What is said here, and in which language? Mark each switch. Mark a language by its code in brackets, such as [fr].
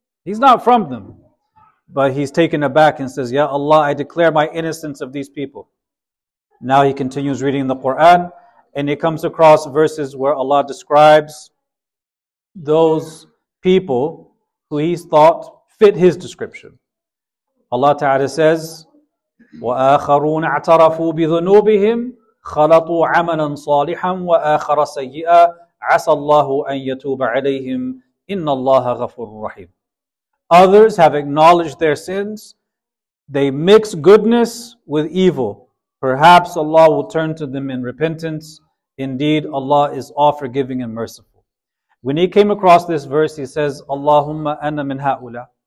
[en] He's not from them, but he's taken aback and says, Ya Allah, I declare my innocence of these people. Now he continues reading the Quran, and he comes across verses where Allah describes those people who he thought fit his description. Allah Ta'ala says, [ar] وَآخَرُونَ اَعْتَرَفُوا بِذُنُوبِهِمْ خَلَطُوا عَمَلًا صَالِحًا وَآخَرَ سَيِّئًا عَسَى اللَّهُ أَن يَتُوبَ عَلَيْهِمْ إِنَّ اللَّهَ غَفُورٌ رَحِيمٌ. [en] Others have acknowledged their sins. They mix goodness with evil. Perhaps Allah will turn to them in repentance. Indeed, Allah is all-forgiving and merciful. When he came across this verse, he says, Allahumma ana min ha'ula.